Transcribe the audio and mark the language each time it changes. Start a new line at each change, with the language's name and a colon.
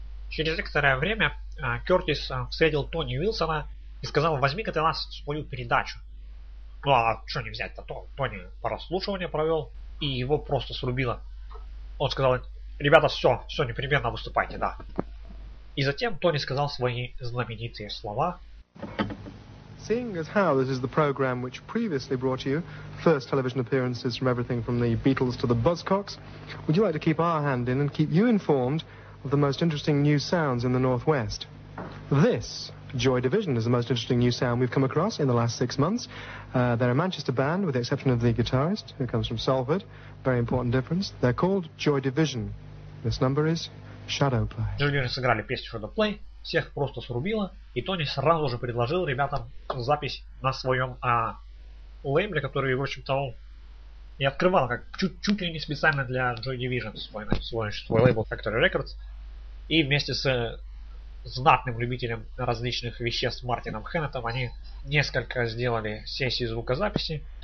Russian: Через некоторое время Кёртис встретил Тони Уилсона и сказал, возьми-ка ты нас в свою передачу. Ну а что не взять-то, Тони прослушивание провел. И его просто срубило. Он сказал, ребята, все, непременно выступайте, да. И затем Тони сказал свои знаменитые слова.
English: Seeing as how this is the program which previously brought you first television appearances from everything from the Beatles to the Buzzcocks, would you like to keep our hand in and keep you informed of the most interesting new sounds in the Northwest? This Joy Division is the most interesting new sound we've come across in the last 6 months. They're a Manchester band, with the exception of the guitarist, who comes from Salford. Very important difference. They're called Joy Division. This number is Shadowplay.
Russian: Joy Division сыграли песню Shadowplay, всех просто срубило, и Тони сразу же предложил ребятам запись на своем лейбле, который, в общем-то, он и открывал, как чуть ли не специально для Joy Division, свой лейбл Factory Records, и вместе с знатным любителем различных веществ Мартином Хеннетом они несколько сделали сессии звукозаписи.